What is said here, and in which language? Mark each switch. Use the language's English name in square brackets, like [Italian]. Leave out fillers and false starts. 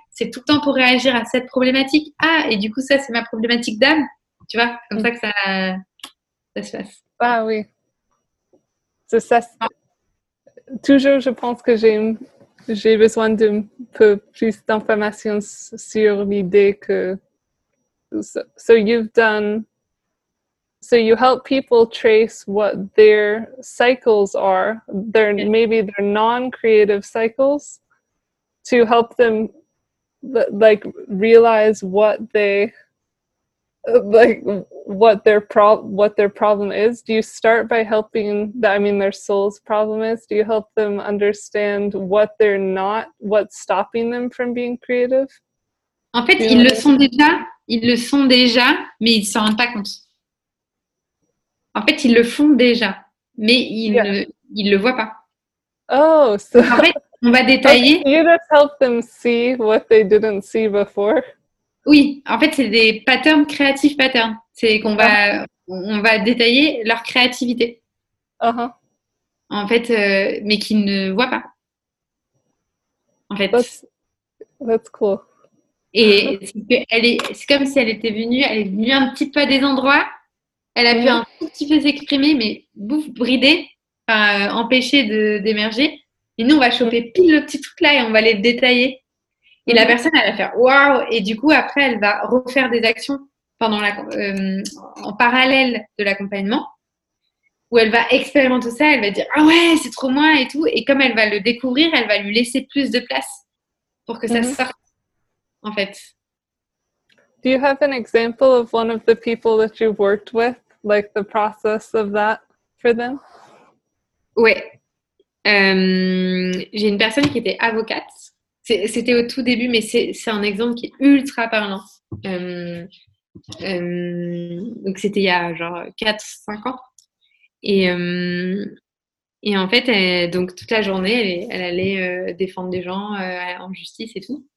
[French] C'est tout le temps pour réagir à cette problématique. Ah, et du coup, ça, c'est ma problématique d'âme. Tu vois, comme ça que ça se passe. Ah oui. Toujours, je pense que j'ai besoin d'un peu plus d'informations sur l'idée que... [English] So you help people trace what their cycles are, maybe their non-creative cycles, to help them realize what their problem is. Do you start by helping their soul's problem is? Do you help them understand what they're not, what's stopping them from being creative? [French] En fait, ils le sont déjà, mais ils s'en rendent pas compte. En fait, ils le font déjà, mais ils le voient pas. Oh, so en fait, on va détailler. [English] You just help them see what they didn't see before. [French] Oui, en fait, c'est des patterns créatifs patterns. C'est qu'on va on va détailler leur créativité. Uh-huh. En fait, mais qu'ils ne voient pas. En fait. [English] That's cool. [French] Et c'est comme si elle est venue un petit peu à des endroits. Elle a pu un tout petit peu s'exprimer, mais brider, empêcher d'émerger. Et nous, on va choper pile le petit truc là et on va les détailler. Et la personne, elle va faire waouh. Et du coup, après, elle va refaire des actions pendant en parallèle de l'accompagnement où elle va expérimenter ça. Elle va dire ah ouais, c'est trop moi et tout. Et comme elle va le découvrir, elle va lui laisser plus de place pour que ça sorte, en fait. [English] Do you have an example of one of the people that you've worked with, like the process of that for them? [French] Oui. J'ai une personne qui était avocate. C'était au tout début, mais c'est un exemple qui est ultra parlant. Donc, c'était il y a genre 4-5 ans. Et en fait, toute la journée, elle allait défendre des gens en justice et tout.